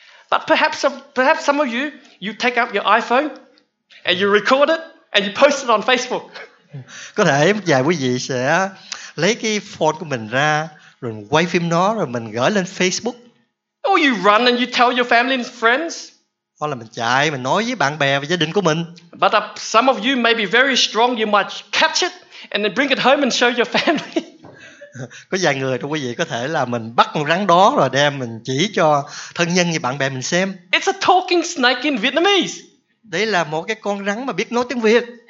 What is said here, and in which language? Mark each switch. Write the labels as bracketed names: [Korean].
[English] But perhaps some of you, you take out your iPhone and you record it and you post it on Facebook. [Vietnamese] Có thể một vài quý vị sẽ lấy cái phone của mình ra rồi quay phim nó rồi mình gửi lên Facebook. [English] Or you run and you tell your family and friends. [Vietnamese] Hoặc là mình chạy mình nói với bạn bè và gia đình của mình. [English] But some of you may be very strong, you might catch it and then bring it home and show your family. [Vietnamese] Có vài người trong quý vị có thể là mình bắt con rắn đó rồi đem mình chỉ cho thân nhân và bạn bè mình xem. [English] It's a talking snake in Vietnamese. [Vietnamese] Đây là một cái con rắn mà biết nói tiếng Việt.